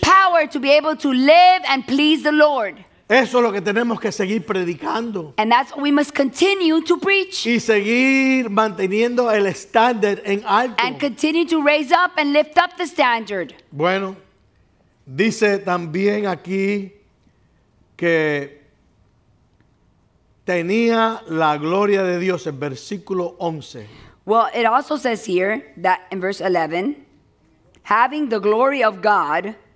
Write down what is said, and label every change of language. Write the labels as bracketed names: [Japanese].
[English] Power to be able to live and please the Lord. [Spanish] Eso es lo que tenemos que seguir predicando. [English] And that's what we must continue to preach. [Spanish] Y seguir manteniendo el estándar en alto. [English] And continue to raise up and lift up the standard. [Spanish] Bueno, dice también aquí que tenía la gloria de Dios en versículo 11. [English] Well, it also says here that in verse 11, having the glory of God.